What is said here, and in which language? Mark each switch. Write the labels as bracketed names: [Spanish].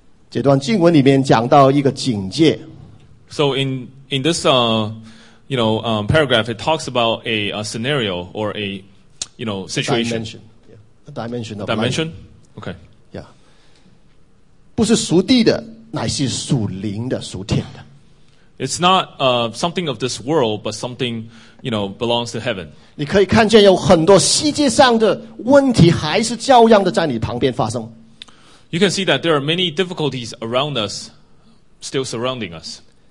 [Chinese] 这段经文里面讲到一个警戒。 [English] So in this paragraph, it talks about a scenario or a situation. A dimension. Okay. Yeah. [Chinese] 不是属地的，乃是属灵的，属天的。 [English] It's not something of this world, but something, belongs to heaven. [Chinese] 你可以看见有很多细节上的问题还是照样的在你旁边发生。 [English] You can see that there are many difficulties around us, still surrounding us.